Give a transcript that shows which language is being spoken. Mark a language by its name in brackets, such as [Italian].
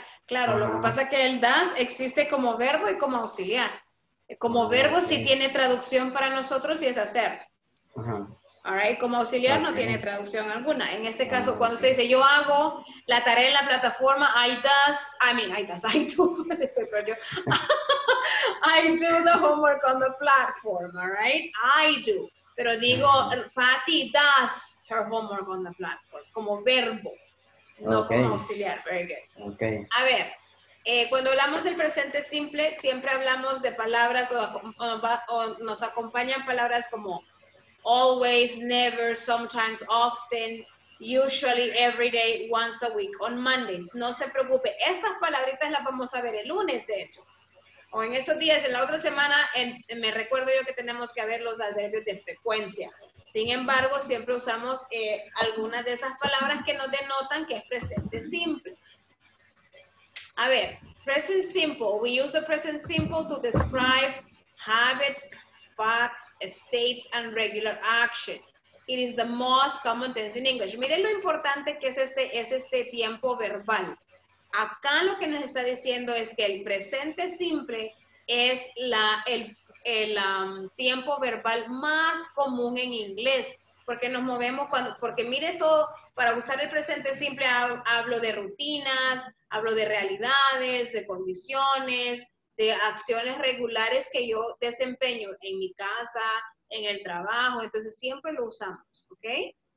[Spanish] Claro, lo que pasa es que el does existe como verbo y como auxiliar. Como verbo sí tiene traducción para nosotros y es hacer. Ajá. All right, como auxiliar no tiene traducción alguna. En este caso, cuando usted dice yo hago la tarea en la plataforma, [English] I do, [Spanish] estoy perdido. [English] I do the homework on the platform, all right? I do. [Spanish] Pero digo, [English] Patty does her homework on the platform, [Spanish] como verbo, no como auxiliar. [English] Very good. Okay. [Spanish] A ver, cuando hablamos del presente simple, siempre hablamos de palabras o nos acompañan palabras como always, never, sometimes, often, usually, every day, once a week, on Mondays. No se preocupe, estas palabritas las vamos a ver el lunes, de hecho. O en estos días, en la otra semana, me recuerdo yo que tenemos que ver los adverbios de frecuencia. Sin embargo, siempre usamos algunas de esas palabras que nos denotan que es presente simple. A ver, present simple. [English] We use the present simple to describe habits, facts, states, and regular action. It is the most common tense in English. [Spanish] Miren lo importante que es este tiempo verbal. Acá lo que nos está diciendo es que el presente simple es el tiempo verbal más común en inglés, porque nos movemos cuando, porque mire todo, para usar el presente simple hablo de rutinas, hablo de realidades, de condiciones, de acciones regulares que yo desempeño en mi casa, en el trabajo, entonces siempre lo usamos, ¿ok?